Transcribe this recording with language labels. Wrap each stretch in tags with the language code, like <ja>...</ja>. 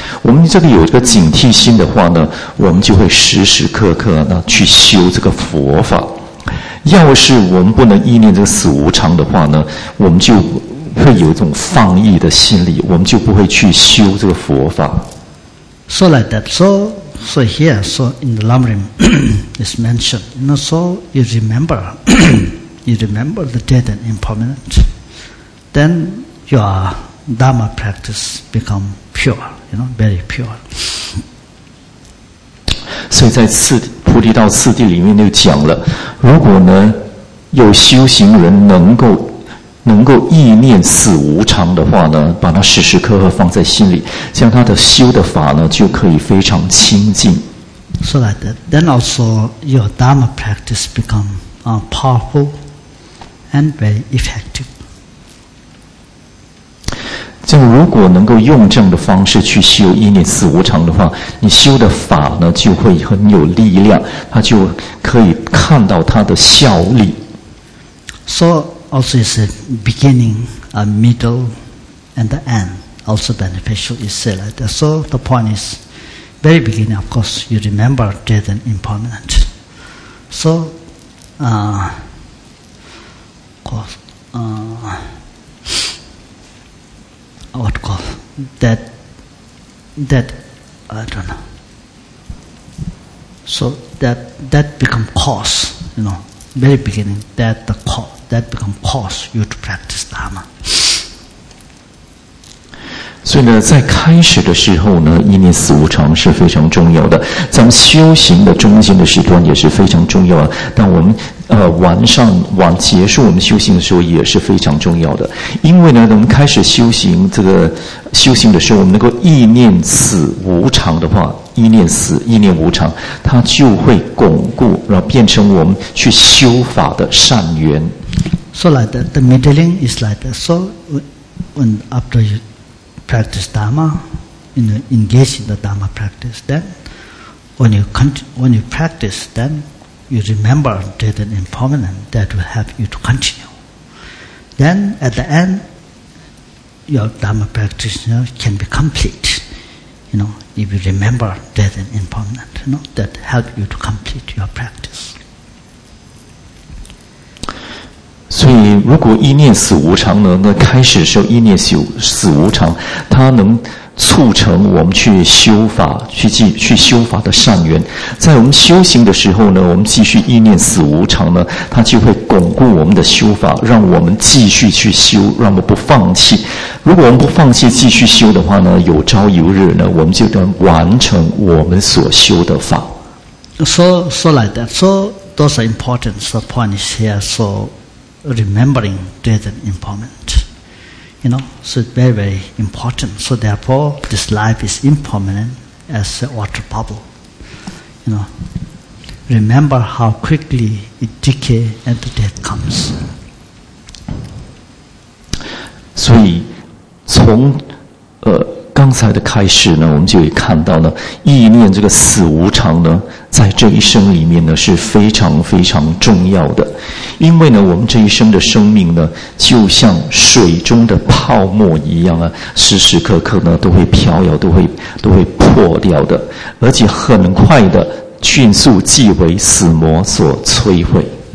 <zh>我们这里有这个警惕心的话呢，我们就会时时刻刻呢去修这个佛法。要是我们不能意念这个死无常的话呢，我们就会有一种放逸的心理，我们就不会去修这个佛法。</zh> <en>So like that. So here, so in the Lamrim, it's mentioned. You know, so you remember, you remember the dead and impermanent. Then your Dharma practice become pure, you know, very pure.</en> <zh>所以在次菩提道次第里面就讲了，如果呢有修行人能够意念死无常的话呢，把它时时刻刻放在心里，这样他的修的法呢就可以非常清净。</zh> <en>So like that, then also your Dharma practice become powerful and very effective.</en> <zh>就如果能够用这样的方式去修意念死无常的话，你修的法呢就会很有力量，他就可以看到他的效力。</zh> <en>So. Also, it's a beginning, a middle, and the end. Also beneficial, you say like that. So the point is, very beginning, of course, you remember death and impermanent. So, that become cause, you know, very beginning, that the cause. That become cause you to practice Dharma.</en> <zh>所以呢，在开始的时候呢，意念死无常是非常重要的。咱们修行的中间的时段也是非常重要的。但我们结束我们修行的时候也是非常重要的。因为呢，我们开始修行这个修行的时候，我们能够意念死无常的话。意念死，意念无常，它就会巩固，然后变成我们去修法的善缘。</zh> <en>So like that, the middling is like that. So when after you practice Dharma, you know, engage in the Dharma practice, then when you practice, then you remember dead and impermanent that will help you to continue. Then at the end, your Dharma practice, you know, can be complete. You know, if you remember death and impermanent, you know, that help you to complete your practice.</en> <zh>所以如果意念死无常呢，那开始的时候意念死无常，它能促成我们去修法，去修法的善缘。在我们修行的时候呢，我们继续意念死无常呢，它就会巩固我们的修法，让我们继续去修，让我们不放弃。如果我们不放弃继续修的话呢，有朝一日呢，我们就能完成我们所修的法。</zh> <en>So like that. So those are important points here. So remembering death and impermanent. You know, so it's very, very important. So therefore, this life is impermanent as a water bubble. You know, remember how quickly it decay and the death comes.</en> <zh>所以从刚才的开始呢，我们就也看到呢，意念这个死无常呢，在这一生里面呢是非常非常重要的，因为呢，我们这一生的生命呢，就像水中的泡沫一样啊，时时刻刻呢都会飘摇，都会破掉的，而且很快的，迅速即为死魔所摧毁。</zh>